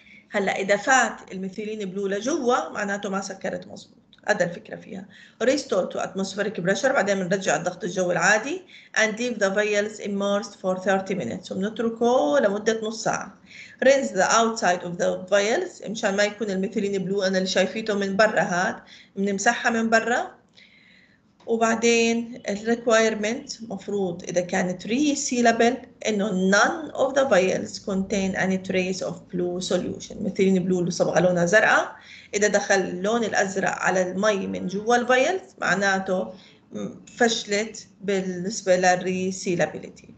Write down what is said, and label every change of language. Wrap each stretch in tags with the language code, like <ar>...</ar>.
<ar>هلا اذا فات الميثيلين بلو لجوا معناته ما سكرت مظبوط، هذا الفكره فيها.</ar> <en>Restore to atmospheric pressure</en> <ar>بعدين بنرجع الضغط الجو العادي</ar> <en>and leave the vials immersed for 30 minutes</en> <ar>وبنتركه لمده نص ساعه.</ar> <en>Rinse the outside of the vials</en> <ar>مشان ما يكون الميثيلين بلو انا اللي شايفيته من برا، هاد بنمسحها من برا. وبعدين الريكويرمنت مفروض اذا كانت ريسيلابل انه</ar> <en>none of the files contain any trace of blue solution,</en> <ar>ميثيلين بلو اللي صبغه لونها زرقاء اذا دخل اللون الازرق على المي من جوا الفايلز معناته فشلت بالنسبه للريسيلابيلتي.</ar>